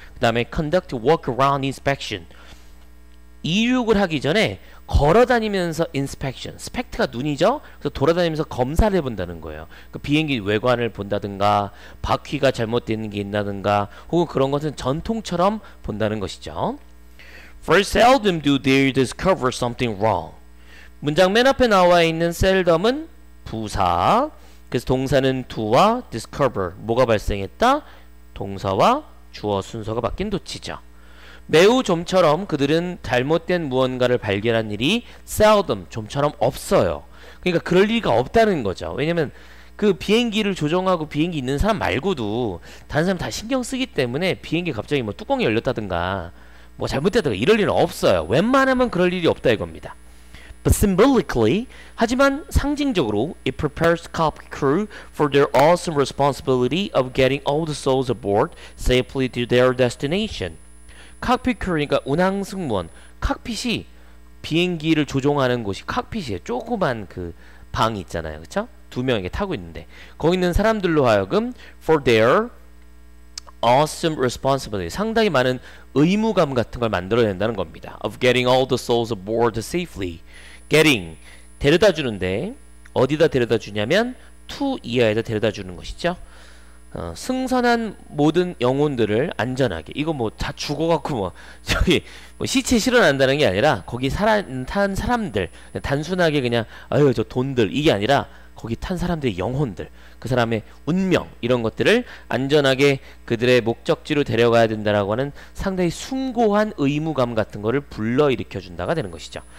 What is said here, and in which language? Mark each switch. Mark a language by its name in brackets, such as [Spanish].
[Korean] 그 다음에 [English] conduct walk around inspection, [Korean] 이륙을 하기 전에 걸어다니면서 inspection, 스펙트가 눈이죠. 그래서 돌아다니면서 검사를 해본다는 거예요. 그 비행기 외관을 본다든가 바퀴가 잘못된 게 있다든가 혹은 그런 것은 전통처럼 본다는 것이죠. [English] Very seldom do they discover something wrong. [Korean] 문장 맨 앞에 나와 있는 seldom은 부사. 그래서 동사는 do와 discover. 뭐가 발생했다? 동사와 주어 순서가 바뀐 도치죠. 매우 좀처럼 그들은 잘못된 무언가를 발견한 일이 seldom, 좀처럼 없어요. 그러니까 그럴 리가 없다는 거죠. 왜냐면 그 비행기를 조종하고 비행기 있는 사람 말고도 다른 사람 다 신경 쓰기 때문에 비행기 갑자기 뭐 뚜껑이 열렸다든가 뭐 잘못되다가 이럴 일은 없어요. 웬만하면 그럴 일이 없다 이겁니다. [English] But symbolically, [Korean] 하지만 상징적으로 [English] it prepares copy crew for their awesome responsibility of getting all the souls aboard safely to their destination. [Korean] 칵핏 crew니까 운항 승무원, 칵핏이 비행기를 조종하는 곳이 칵핏이에요. 조그만 그 방이 있잖아요. 그쵸? 두 명에게 타고 있는데 거기 있는 사람들로 하여금 [English] for their awesome responsibility, [Korean] 상당히 많은 의무감 같은 걸 만들어낸다는 겁니다. [English] Of getting all the souls aboard safely. [Korean] Getting, 데려다 주는데 어디다 데려다 주냐면 to 이하에다 데려다 주는 것이죠. 승선한 모든 영혼들을 안전하게. 이거 뭐 다 죽어갖고 뭐 저기 뭐 시체 실어난다는 게 아니라 거기 탄 사람들 단순하게 그냥 아유 저 돈들 이게 아니라 거기 탄 사람들의 영혼들, 그 사람의 운명 이런 것들을 안전하게 그들의 목적지로 데려가야 된다라고 하는 상당히 숭고한 의무감 같은 거를 불러일으켜 준다가 되는 것이죠.